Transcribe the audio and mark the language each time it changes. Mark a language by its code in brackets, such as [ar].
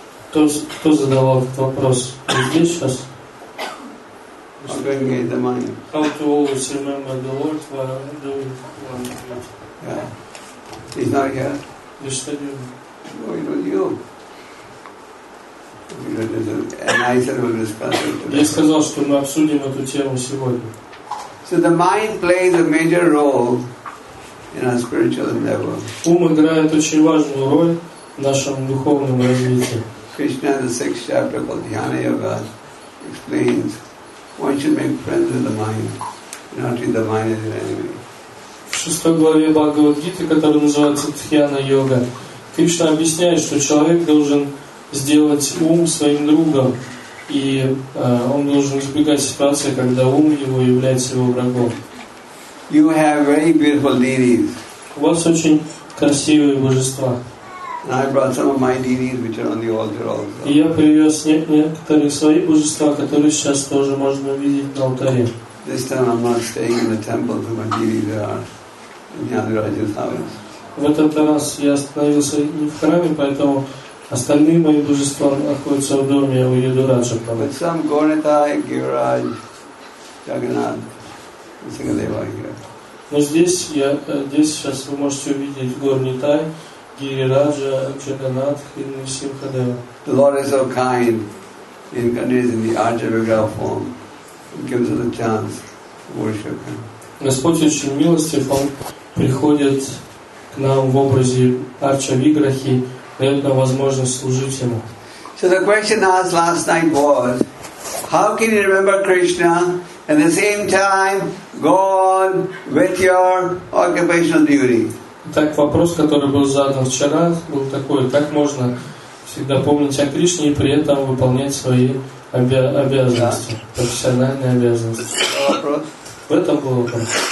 [ru] Кто задавал этот вопрос? Здесь сейчас? [en] How to always remember the Lord while I'm doing one thing. Yeah. He's not here. You said you. No, it was you. And I said we'll discuss it today. [ru] Я сказал, что мы обсудим эту тему сегодня. [en] So the mind plays a major role in our spiritual endeavor. [ru] Ум играет очень важную роль в нашем духовном развитии. [en] Krishna, the sixth chapter called Dhyana Yoga, explains one should make friends with the mind, not treat the mind as an enemy. [ru] В шестой главе Бхагавад-гиты, которая называется Дхьяна Йога, Кришна объясняет, что человек должен сделать ум своим другом, и он должен избегать ситуации, когда ум его является его врагом. [en] You have very beautiful deities. [ru] У вас очень красивые божества. [en] And I brought some of my deities, which are on the altar also. [ru] И я привез некоторые свои божества, которые сейчас тоже можно видеть на алтаре. [en] This time I'm not staying in the temple, so my deities are in the other Raja's house. [ru] В этот раз я остановился не в храме, поэтому остальные мои божества находятся в доме у Ядураджа. [en] But some Gornitai, Giriraj, Jagannath, Singhadeva are here. [ru] Но здесь я здесь сейчас вы можете увидеть Горнитай, Гирираджа, Джаганнатх и Симхадева. [en] The Lord is so kind in Ganesh in the Ajavagra form. He gives us a chance to worship him. [ru] Господь очень милостив, Он приходит к нам в образе Арча Виграхи, дает нам возможность служить Ему. [en] So the question asked last night was, how can you remember Krishna and at the same time go on with your occupational duty? [ru] Так вопрос, который был задан вчера, был такой, как можно всегда помнить о Кришне и при этом выполнять свои обязанности, профессиональные обязанности. В этом был вопрос.